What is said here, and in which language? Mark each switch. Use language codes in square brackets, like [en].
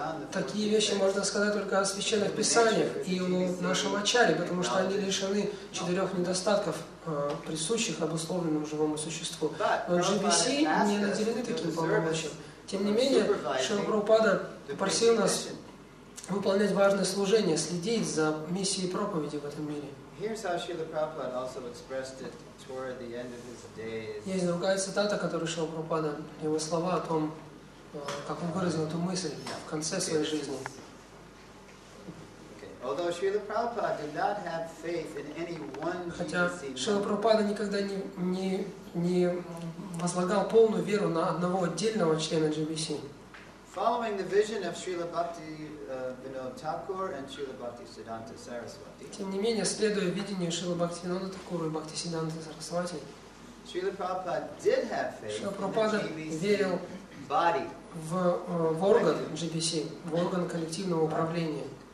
[ru] Такие вещи можно сказать только о священных писаниях и о нашем Ачаре, потому что они лишены четырех недостатков, присущих обусловленному живому существу. Но GBC не наделены таким полномочием. Тем не менее, Шрила Прабхупада попросил нас выполнять важное служение, следить за миссией проповеди в этом мире. [en] Here's how Srila Prabhupada also expressed it toward the end of his days. [ru] Есть другая цитата, которую Шрила Прабхупада, его слова о том, как он выразил эту мысль в конце своей жизни. [en] Although Srila Prabhupada did not have faith in any one Jesus, [ru] хотя Шрила Прабхупада никогда не возлагал полную веру на одного отдельного члена GBC. [en] Following the vision of Srila Bhakti Vinod Thakur and Srila Bhakti Siddhanta Saraswati. [ru] Тем не менее, следуя видению Шрила Бхакти Винода Такура и Бхакти Сидданты Сарасвати, [en] Srila Prabhupada did have faith in the GBC body. [ru] В орган GBC, в орган коллективного управления.